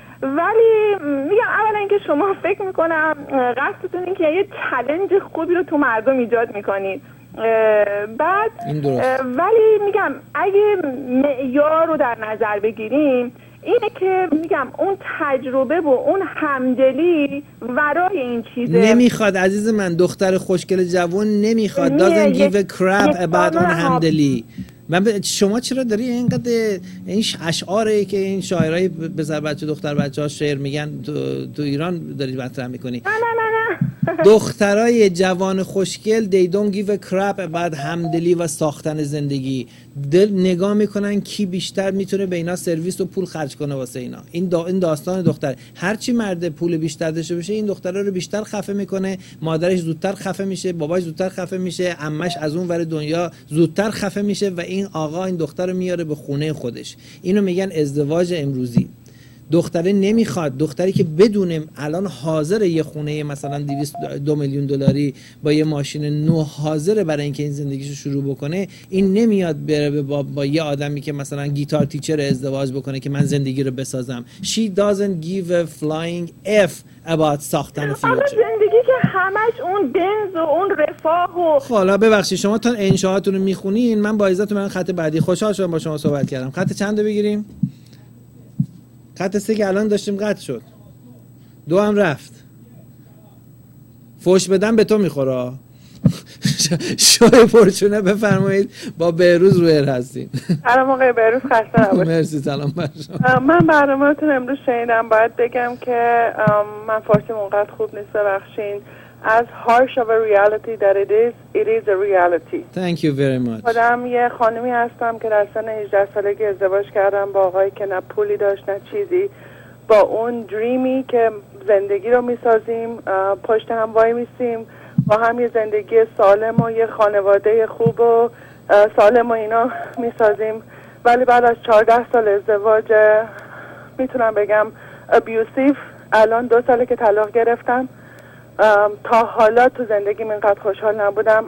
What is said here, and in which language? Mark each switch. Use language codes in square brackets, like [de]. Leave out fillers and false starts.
[fa] ولی میگم اولا اینکه شما فکر میکنم قصدتون این که یه چلنج خوبی رو تو مردم ایجاد میکنید، بعد ولی میگم اگه معیار رو در نظر بگیریم اینه که میگم اون تجربه و اون همدلی ورای این چیزه. نمیخواد عزیز من، دختر خوشگل جوان نمیخواد. [en] doesn't give a crap about [fa] اون همدلی. من شما چرا داری اینقدر این اشعاره ای که این شاعرهای بزر بچه دختر بچه ها شعر میگن تو ایران داری مطرح میکنی؟ نه دخترای جوان خوشگل [en] they don't give a crap about [fa] همدلی و ساختن زندگی. دل نگاه میکنن کی بیشتر میتونه به اینا سرویس و پول خرج کنه واسه اینا. این داستان دختر، هرچی مرد پول بیشتر داشته باشه این دختره رو بیشتر خفه میکنه، مادرش زودتر خفه میشه، باباش زودتر خفه میشه، عمش از اون ور دنیا زودتر خفه میشه و این آقا این دختر رو میاره به خونه خودش. اینو میگن ازدواج امروزی. دختره نمیخواد، دختری که بدونم الان حاضر یه خونه مثلا 2 میلیون دلاری با یه ماشین نو حاضره برای اینکه این زندگیشو شروع بکنه، این نمیاد بره با یه آدمی که مثلا گیتار تیچر ازدواج بکنه که من زندگی رو بسازم. [en] She doesn't give a flying F about [fa] ساختن فیوچر. همش اون بنز و اون رفاه و حالا ببخشید شما تا انشاءاتون رو میخونین من با عزتتون من خط بعدی. خوشحال شدم با شما صحبت کردم. خط چند رو بگیریم؟ خط 3 که الان داشتیم قطع شد. 2 هم رفت. فوش بدم به تو میخوره. شوی پرچونه بفرمایید. با بهروز روی ار هستیم. سلام آقای بهروز، خسته نباشید. مرسی، سلام بر شما. من برنامه‌تون امروز شنیدم، باید بگم که من فارسیم اونقدر خوب نیست، ببخشید. [en] As harsh of a reality that it is a reality. Thank you very much. [fa] خودم یه خانمی هستم که در سن 18 سالگی ازدواج کردم با آقایی که نه پولی داشت نه چیزی، با اون دریمی که زندگی رو می‌سازیم، پشت هم وای می‌سیم، با هم یه زندگی سالم و یه خانواده خوب و سالم و اینا میسازیم، ولی بعد از 14 سال ازدواج میتونم بگم ابیوسیف، الان 2 ساله که طلاق گرفتم، تا حالا تو زندگیم اینقدر خوشحال نبودم.